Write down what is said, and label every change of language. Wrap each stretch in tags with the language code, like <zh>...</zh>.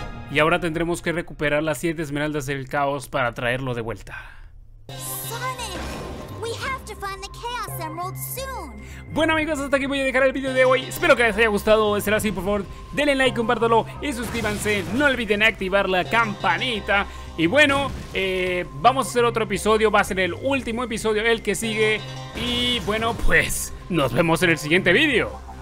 <es>Y ahora tendremos que recuperar las 7 esmeraldas del caos para traerlo de vuelta.</es> <en>Sonic, we have to find the Chaos Emerald soon.</en> <es>Bueno, amigos, hasta aquí voy a dejar el video de hoy. Espero que les haya gustado. Será así, por favor, denle like, compártalo y suscríbanse. No olviden activar la campanita. Y bueno, vamos a hacer otro episodio. Va a ser el último episodio, el que sigue. Y bueno, pues nos vemos en el siguiente video.</es>